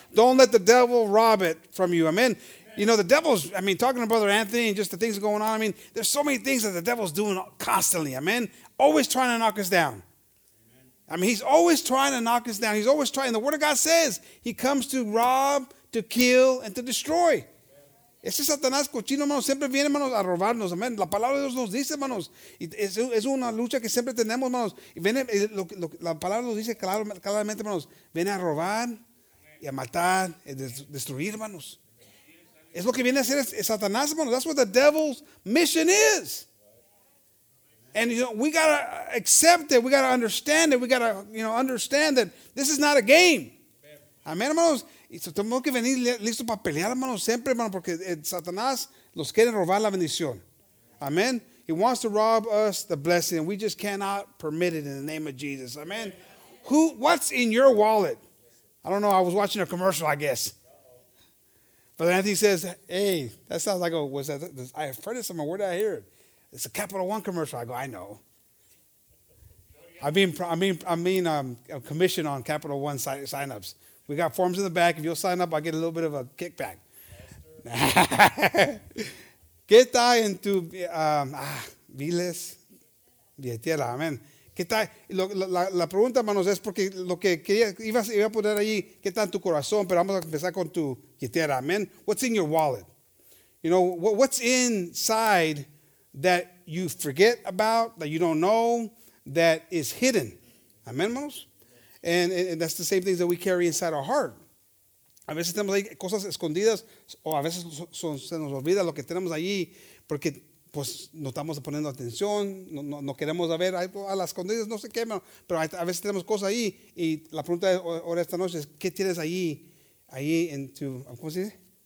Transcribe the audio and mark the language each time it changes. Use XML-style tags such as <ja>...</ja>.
<en>Don't let the devil rob it from you. Amen. You know, the devil's, I mean, talking to Brother Anthony and just the things going on, I mean, there's so many things that the devil's doing constantly. Amen. Always trying to knock us down. I mean, he's always trying to knock us down. He's always trying. The word of God says he comes to rob, to kill, and to destroy.</en> <es>Ese Satanás cochino, hermanos, siempre viene, hermanos, a robarnos, amén. La palabra de Dios nos dice, hermanos, es una lucha que siempre tenemos, hermanos. Y viene, la palabra nos dice claramente, hermanos, viene a robar y a matar y destruir, hermanos. Es lo que viene a hacer Satanás, hermanos.</es> <en>That's what the devil's mission is. And, you know, we got to accept it. We got to understand it. We got to, you know, understand that this is not a game.</en> <es>Amén, hermanos. Y tenemos que venir listo para pelear, hermanos, siempre, hermanos, porque Satanás nos quiere robar la bendición. Amén.</es> <en>He wants to rob us the blessing, and we just cannot permit it in the name of Jesus. Amen. Who? What's in your wallet? I don't know. I was watching a commercial, I guess. But Anthony says, hey, that sounds like a, was that, I've heard it somewhere. Where did I hear it? It's a Capital One commercial. I go, I know. I'm commissioned on Capital One signups. We got forms in the back. If you'll sign up, I'll get a little bit of a kickback.</en> <es>¿Qué está en tu viles? Billetera, amén. ¿Qué está? La pregunta, hermanos, es porque lo que quería, iba a poner allí, ¿qué está en tu corazón? Pero vamos a empezar con tu billetera, amén.</es> <en>What's in your wallet? You know, what's inside that you forget about, that you don't know, that is hidden?</en> <es>Amén, hermanos.</es> <en>And that's the same things that we carry inside our heart.</en> <es>A veces tenemos ahí cosas escondidas o a veces se nos olvida lo que tenemos allí porque pues no estamos poniendo atención, no queremos ver a las escondidas, no sé qué, pero a veces tenemos cosas ahí y la pregunta ahora esta noche es ¿qué tienes allí en tu, ¿cómo se dice?</es>